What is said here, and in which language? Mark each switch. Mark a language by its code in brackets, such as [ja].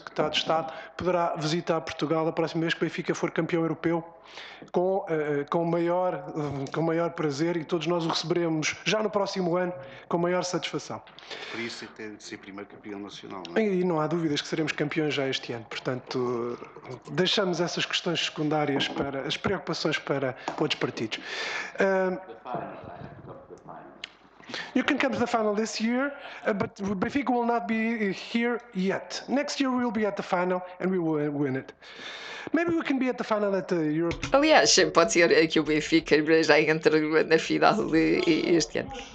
[pt] Secretário de Estado poderá visitar Portugal a próxima vez que o Benfica for campeão europeu, com maior prazer, e todos nós o receberemos já no próximo ano com maior satisfação. Por isso tem de ser primeiro campeão nacional, não é? E não há dúvidas que seremos campeões já este ano. Portanto, deixamos essas questões secundárias, para as preocupações para outros partidos. [en] You can come to the final this year, but Benfica will not be here yet. Next year we'll be at the final and we will win it. Maybe we can be at the final at the Europe. [pt] Aliás, pode ser que o Benfica já entre na final este ano.